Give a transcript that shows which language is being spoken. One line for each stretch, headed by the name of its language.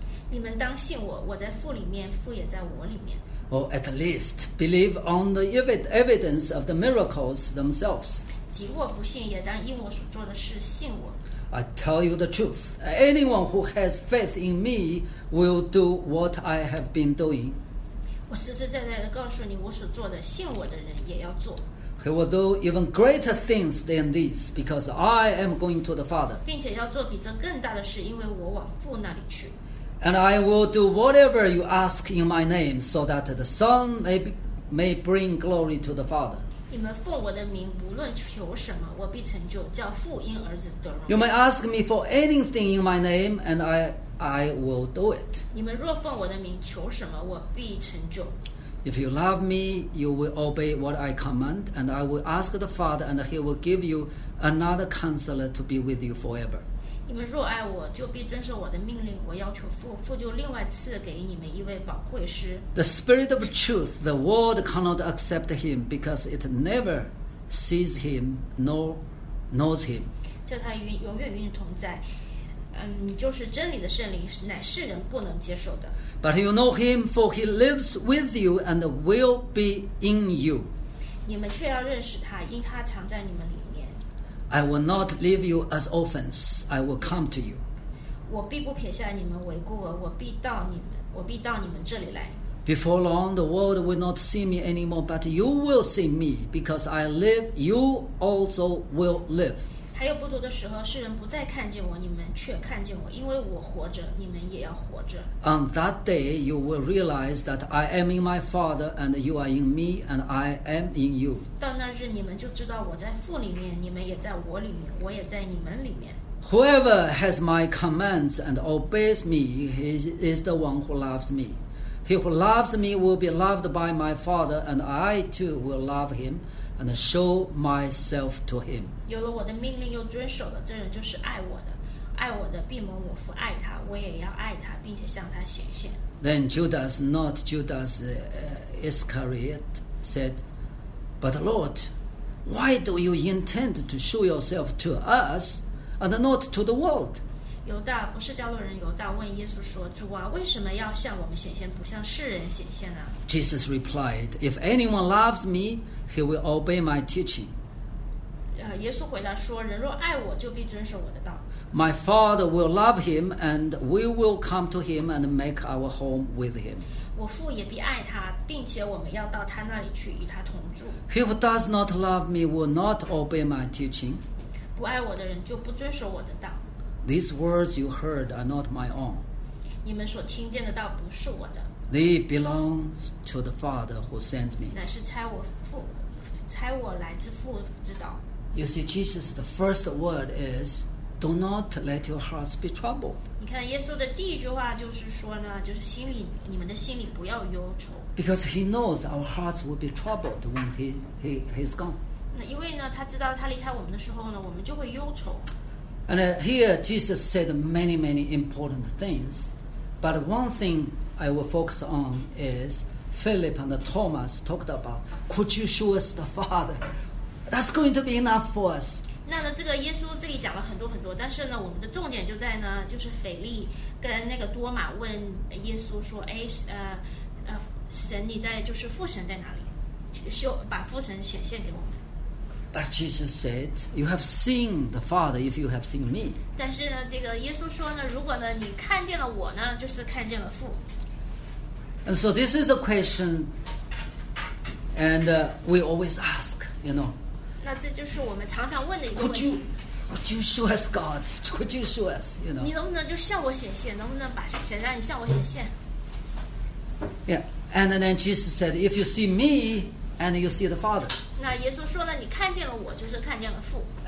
Chinese: 你们当信我，我在父里面，父也在我里面。
English: Or at least believe on the evidence of the miracles themselves.
Chinese: 即我不信，也当因我所做的事信我。
English: I tell you the truth. Anyone who has faith in me will do what I have been doing.
Chinese: 我实实在在地告诉你，我所做的，信我的人也要做。
English: He will do even greater things than this, because I am going to the Father.
Chinese: 并且要做比这更大的事，因为我往父那里去。
English: And I will do whatever you ask in my name, so that the Son may bring glory to the Father.
Chinese: 你们奉我的名，无论求什么，我必成就，叫父因儿子得荣耀。
English: You may ask me for anything in my name, and I will do it.
Chinese: 你们若奉我的名求什么，我必成就。
English: If you love me, you will obey what I command, and I will ask the Father, and he will give you another counselor to be with you forever.
Chinese: 你们若爱我，就必遵守我的命令。我要求父，父就另外赐给你们一位保惠师。
English: The Spirit of Truth, the world cannot accept him because it never sees him nor knows him.
Chinese: 叫他永远与你同在。就是真理的圣灵，乃世人不能接受的。
English: But you know him, for he lives with you and will be in you.
Chinese: 你们却要认识他，因他常在你们里面。
English: I will not leave you as orphans. I will come to you.
Chinese: 我必不撇下你们为孤儿，我必到你们这里来。
English: Before long, the world will not see me anymore, but you will see me, because I live, you also will live.
Chinese: 还有不多的时候，世人不再看见我，你们却看见我，因为我活着，你们也要活着。
English: On that day, you will realize that I am in my Father, and you are in me, and I am in you.
Chinese: 到那日，你们就知道我在父里面，你们也在我里面，我也在你们里面。
English: Whoever has my commands and obeys me, he is the one who loves me. He who loves me will be loved by my Father, and I too will love him. And show myself to him.
Chinese: 有了我的命令又遵守的，这人就是爱我的。爱我的必蒙我父爱他，我也要爱他，并且向他显现。
English: Then Judas, not Judas Iscariot, said, "But Lord, why do you intend to show yourself to us and not to the world?"
Chinese: 犹大不是加勒人犹大问耶稣说：“主啊，为什么要向我们显现，不向世人显现呢？”
English: Jesus replied, "If anyone loves me,He will obey my teaching.
Chinese: 耶稣回答说，人若爱我，就必遵守我的道。
English: My Father will love him, and we will come to him and make our home with him.
Chinese: 我父也必爱他，并且我们要到他那里去，与他同住。
English: He who does not love me will not obey my teaching.
Chinese: 不爱我的人就不遵守我的道。
English: These words you heard are not my own.
Chinese: 你们所听见的道不是我的。
English: They belong to the Father who sent me.
Chinese: 乃是差我父，差我来自父之道。
English: You see, Jesus, the first word is, "Do not let your hearts be troubled."
Chinese: 你看，耶稣的第一句话就是说呢，就是心里，你们的心里不要忧愁。
English: Because he knows our hearts will be troubled when he's gone.
Chinese: 那因为呢，他知道他离开我们的时候呢，我们就会忧愁。
English: And here Jesus said many important things, but one thing. I will focus on is Philip and Thomas talked about. Could you show us the Father? That's going to be enough for us.
Chinese: 那呢，这个耶稣这里讲了很多很多，但是呢，我们的重点就在呢，就是腓力跟那个多马问耶稣说，哎，神你在，就是父神在哪里？把父神显现给我们。
English: But Jesus said, "You have seen the Father if you have seen me."
Chinese: 但是呢，这个耶稣说呢，如果呢，你看见了我呢，就是看见了父。
English: And so this is a question, and we always ask, you know.
Chinese: 那这就是我们常常问的一个问题。
English: Could you show us God? Could you show us, you know?
Chinese: 你能不能就向我显现？能不能把神让你向我显现
English: ？Yeah, and then Jesus said, "If you see me, and you see the Father."
Chinese: 那耶稣说了，你看见了我，就是看见了父。